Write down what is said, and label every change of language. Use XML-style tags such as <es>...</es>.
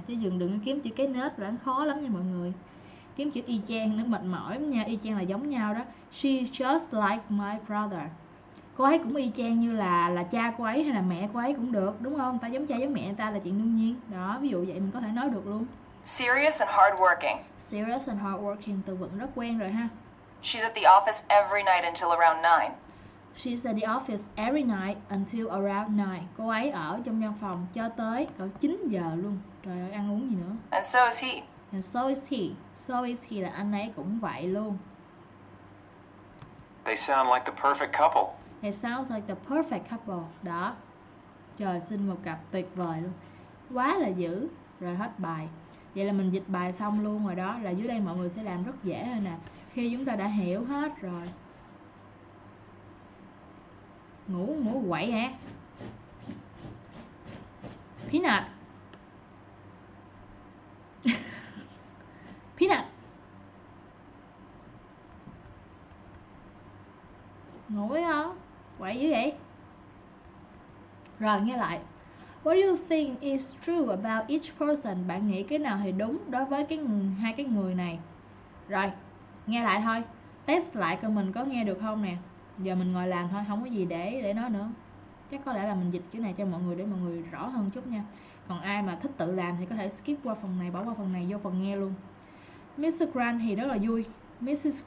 <vi>Chứ đừng kiếm chữ cái nết là khó lắm nha mọi người. Kiếm chữ y chang nó mệt mỏi lắm nha. Y chang là giống nhau đó.</vi> <en>She's just like my brother.</en> <vi>Cô ấy cũng y chang như là cha cô ấy hay là mẹ cô ấy cũng được, đúng không? Ta giống cha giống mẹ ta là chuyện đương nhiên. Đó, ví dụ vậy mình có thể nói được luôn.</vi> <en>Serious and hardworking. Serious and hardworking,</en> <vi>từ vựng rất quen rồi ha.</vi> <en>She's at the office every night until around 9. She's at the office every night until around 9.</en> <vi>Cô ấy ở trong văn phòng cho tới cỡ 9 giờ luôn. Trời ơi, ăn uống gì nữa.</vi> <en>And so is he. And so is he. So is he</en> <vi>là anh ấy cũng vậy luôn.</vi> <en>They sound like the perfect couple. It sounds like the perfect couple. Đó.</en> <vi>Trời, xin một cặp tuyệt vời luôn. Quá là dữ. Rồi hết bài. Vậy là mình dịch bài xong luôn rồi đó. Là dưới đây mọi người sẽ làm rất dễ rồi nè. Khi chúng ta đã hiểu hết rồi. Ngủ ngủ quậy hả?</vi> <en>Peanut. Peanut.</en> <vi>Ngủ với không? Quậy dữ vậy? Rồi nghe lại.</vi> <en>What do you think is true about each person?</en> <vi>Bạn nghĩ cái nào thì đúng đối với cái hai cái người này? Rồi, nghe lại thôi. Test lại coi mình có nghe được không nè. Giờ mình ngồi làm thôi, không có gì để nói nữa. Chắc có lẽ là mình dịch cái này cho mọi người để mọi người rõ hơn chút nha. Còn ai mà thích tự làm thì có thể skip qua phần này, bỏ qua phần này vô phần nghe luôn. Mr. Grant thì rất là vui. Mrs.</vi>